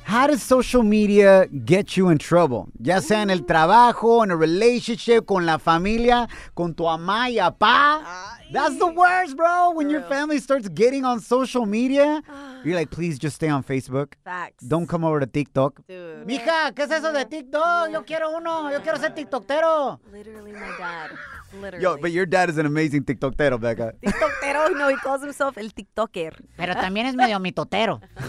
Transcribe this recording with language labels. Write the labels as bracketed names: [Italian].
[English] How does social media get you in trouble? [Spanish] Ya sea en el trabajo, en [English] a relationship, [Spanish] con la familia, con tu mamá y papá. [English] That's the worst, bro. When your family starts getting on social media, you're like, please just stay on Facebook. Facts. Don't come over to TikTok. Dude. [Spanish] Mija, ¿qué es eso de TikTok? Yo quiero uno. Yo quiero ser TikToktero. [English] Literally my dad. Literally. Yo, but your dad is an amazing TikToktero, Becca. TikToktero, no, he calls himself [Spanish] el TikToker. Pero también es medio mitotero.